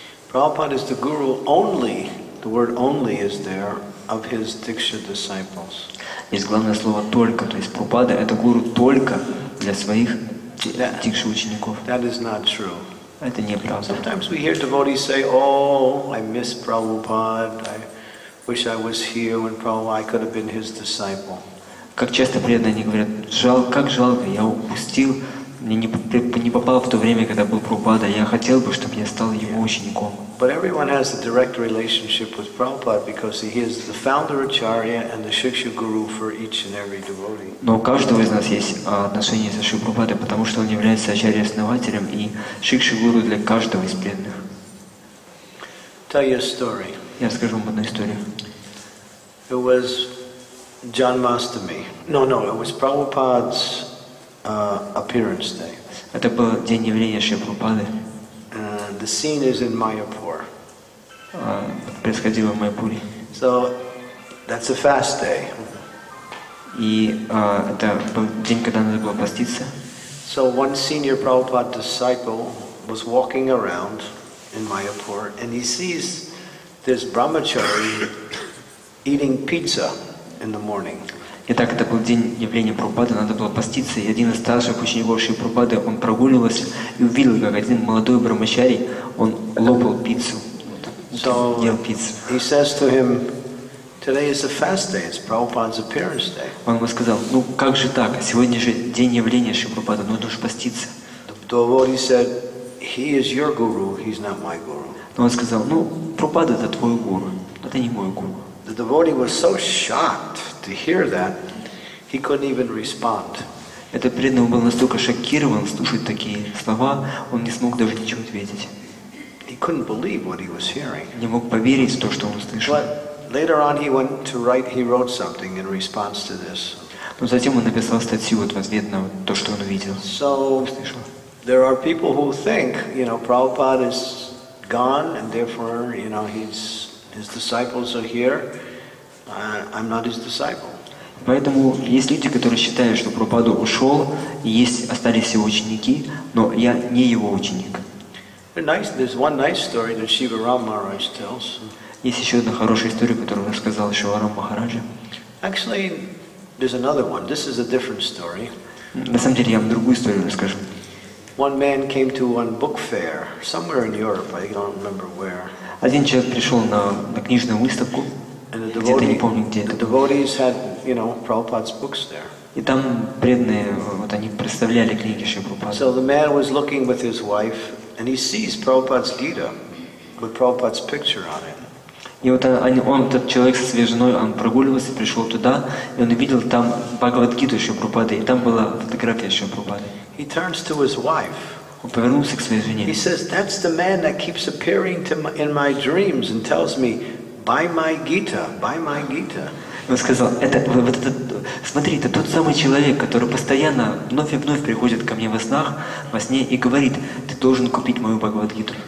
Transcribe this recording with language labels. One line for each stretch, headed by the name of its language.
English: Prabhupada is the guru only, the word only is there, of his Diksha disciples.
Russian: Есть главное слово только, то есть Прабхупада это гуру только для своих Дикша учеников.
English: That is not true.
Russian: Это неправда.
English: Sometimes we hear devotees say, oh, I miss Prabhupada, I wish I was here when Prabhupada, I could have been his disciple.
Russian: Как часто преданные они говорят, как жалко, я упустил. Мне не попало в то время, когда был Прабхупада. Я хотел бы, чтобы я стал его учеником.
English: But everyone has a direct relationship with Prabhupada because he is the founder acharya and the shiksha guru for each and every devotee.
Russian: Но у каждого из нас есть отношение со Шри Прабхупадой, потому что он является ачарья-основателем и шикша гуру для каждого из преданных.
English: Tell you a story.
Russian: Я расскажу вам одну историю.
English: It was Janmashtami. No, no, it was Prabhupada's appearance day.
Russian: Это был день явления Шри Прабхупады.
English: The scene is in Mayapur.
Russian: Происходило в Майпуре.
English: So that's a fast day.
Russian: И это был день, когда надо было поститься.
English: So one senior Prabhupada disciple was walking around in Mayapur and he sees this brahmachari eating pizza in the morning.
Russian: Итак, это был день явления Прабхупады, надо было поститься, и один из старших учеников Шри Прабхупады, он прогуливался и увидел, как один молодой брахмачари, он лопал пиццу, ел пиццу.
English: He says to him, today is a fast day, it's Prabhupada's appearance day.
Russian: Он ему сказал, ну как же так, сегодня же день явления Шри Прабхупады, ну нужно поститься.
English: The devotee said, he is your guru, he's not my guru.
Russian: Но он сказал, ну Прабхупада это твой гуру, это не мой гуру.
English: The devotee was so shocked to hear that, he couldn't even respond.
Russian: Этот преданный был настолько шокирован слушать такие слова, он не смог даже ничего ответить.
English: He couldn't believe what he was hearing.
Russian: Не мог поверить то, что он слышал.
English: But later on, he wrote something in response to this.
Russian: Но затем он написал статью вот в ответ на то, что он увидел.
English: So there are people who think, you know, Prabhupada is gone, and therefore, you know, he's His disciples are here. I'm not his disciple.
Russian: Поэтому есть люди, которые считают, что Прабхупада ушел, и есть остались его ученики, но я не его ученик.
English: There's one nice story that Shivaram Maharaj tells.
Russian: Есть еще одна хорошая история, которую рассказал Шиварам Махараджа.
English: Actually, there's another one. This is a different story.
Russian: На самом деле, я вам другую историю расскажу.
English: One man came to one book fair somewhere in Europe. I don't remember where.
Russian: Один человек пришел на книжную выставку. Где-то не помню где.
English: The devotees had, you know, Prabhupada's books there.
Russian: И там преданные, вот они представляли книги Шри Прабхупады.
English: So the man was looking with his wife, and he sees Prabhupada's Gita with Prabhupada's picture on it.
Russian: И вот он, этот человек со своей женой, он прогуливался, пришел туда, и он увидел там Бхагавад-гиту Шри Прабхупады, и там была фотография Шри Прабхупады.
English: He turns to his wife.
Russian: Он повернулся к своей жене.
English: He says, that's the man that keeps appearing to my, in my dreams and tells me, buy my Gita, buy my Gita.
Russian: Он сказал, смотри, это тот самый человек, который постоянно вновь и вновь приходит ко мне во сне и говорит, ты должен купить мою Бхагавад-гиту.